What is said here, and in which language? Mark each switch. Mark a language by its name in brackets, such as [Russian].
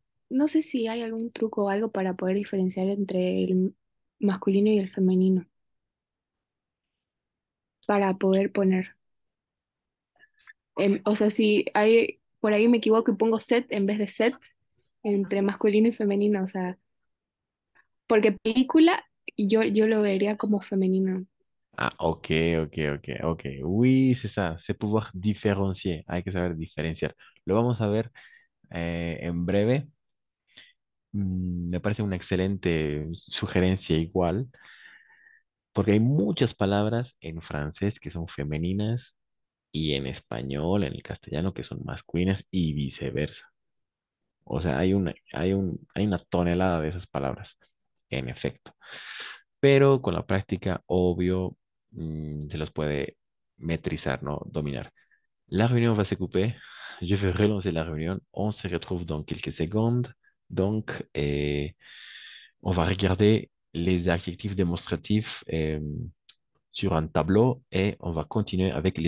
[Spanish] No sé si hay algún truco o algo para poder diferenciar entre el masculino y el femenino para poder poner. O sea, si hay por ahí me equivoco y pongo set en vez de set entre masculino y femenino, o sea, porque película yo lo vería como femenino. Ah, ok. [French] Oui, c'est ça, c'est pouvoir différencier. [Spanish] Hay que saber diferenciar. Lo vamos a ver en breve. Me parece una excelente sugerencia igual, porque hay muchas palabras en francés que son femeninas y en español, en el castellano, que son masculinas y viceversa. O sea, hay una tonelada de esas palabras, en efecto. Pero con la práctica, obvio, se los puede maîtriser, ¿no? [French] Dominar. La réunion va se couper. Je vais relancer la réunion. On se retrouve dans quelques secondes. Donc, on va regarder les adjectifs démonstratifs sur un tableau et on va continuer avec les